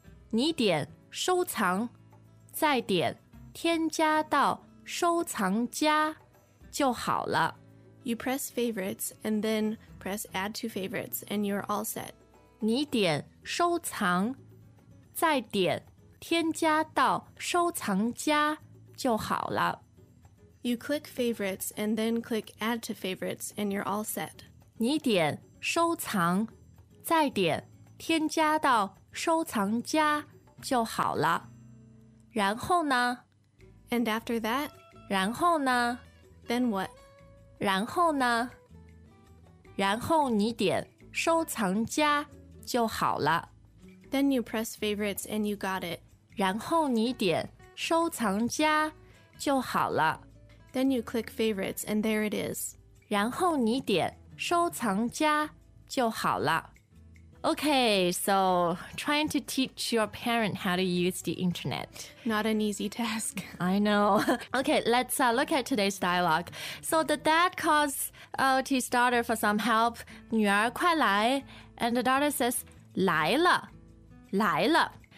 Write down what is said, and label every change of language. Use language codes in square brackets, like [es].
[zh] 你点收藏，再点添加到收藏夹就好了。 [en] You press favorites, and then press add to favorites, and you're all set. [zh] 你点收藏，再点添加到收藏夹就好了。 [en] You click favorites, and then click add to favorites, and you're all set. [zh] 你点收藏，再点添加到收藏夹就好了。然后呢？ [en] And after that? [zh] 然后呢？ [en] Then what? [zh] 然后呢？然后你点收藏夹就好了。 [en] Then you press favorites and you got it. [zh] 然后你点收藏夹就好了。 [en] Then you click favorites and there it is. [zh] 然后你点收藏夹就好了。 [en] Okay, so trying to teach your parent how to use the internet. Not an easy task. I know. Okay, let's look at today's dialogue. So the dad calls out his daughter for some help. [zh] 女儿快来, [en] and the daughter says, [zh] 来了,来了。